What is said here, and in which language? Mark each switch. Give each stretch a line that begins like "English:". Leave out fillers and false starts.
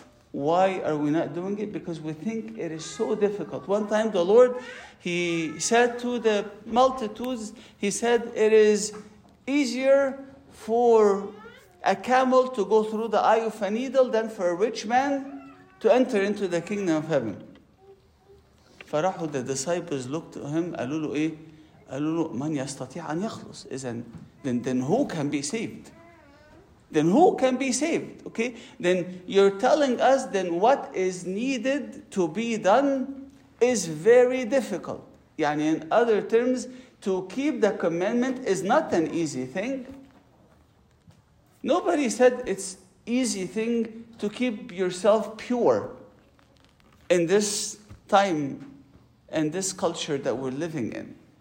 English: Why are we not doing it? Because we think it is so difficult. One time the Lord, He said to the multitudes, He said, it is easier for a camel to go through the eye of a needle than for a rich man to enter into the kingdom of heaven.
Arabic: فرحوا,
English: the disciples looked to him,
Arabic: قالوا له, من يستطيع أن يخلص?
English: Then who can be saved? Then who can be saved? Okay? Then you're telling us then what is needed to be done is very difficult. يعني in other terms, to keep the commandment is not an easy thing. Nobody said it's easy thing to keep yourself pure in this time and this culture that we're living in.